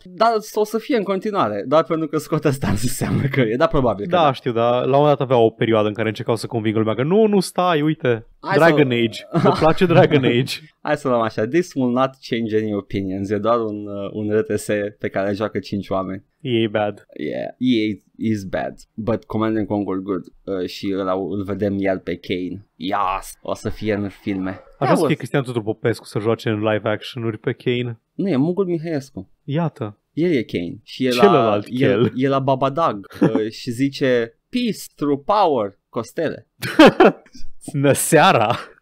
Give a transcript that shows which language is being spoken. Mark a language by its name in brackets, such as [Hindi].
[Romanian] Da, o să fie în continuare, doar pentru că scot asta în seamă că e, da, probabil. Da, știu, dar la un moment dat avea o perioadă în care încercau să convingă lumea că nu stai, uite, hai Dragon să... Age, mă place Dragon Age. Hai să luăm așa, [English] this will not change any opinions, [Romanian] e doar un RTS pe care joacă 5 oameni. [English] EA bad. Yeah, EA is bad, but Command & Conquer good. [Romanian] Și îl vedem iar pe Kane. Yes, o să fie în filme. Așa să fie Cristian Tudor Popescu să joace în live action-uri pe Kane. Nu, e Mugur Mihăiescu. Iată. El e Kane. Și e celălalt la, Kel. E la Babadag și zice, [English] peace through power, [Romanian] Costele. Nă seara.